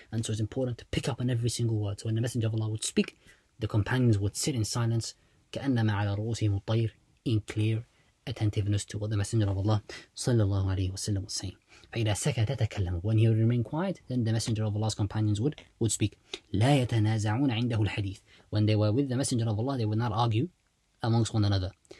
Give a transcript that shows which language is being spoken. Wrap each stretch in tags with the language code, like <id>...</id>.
<en>And so it's important to pick up on every single word. So when the Messenger of Allah would speak, the companions would sit in silence,</en> <ar>كأنما على رؤوسهم الطير,</ar> <en>in clear attentiveness to what the Messenger of Allah sallallahu alayhi wa sallam was saying.</en> <ar>فإذا سكت تكلم.</ar> <en>When he would remain quiet, then the Messenger of Allah's companions would speak.</en> <ar>لا يتنازعون عنده الحديث.</ar> <en>When they were with the Messenger of Allah, they would not argue amongst one another.</en>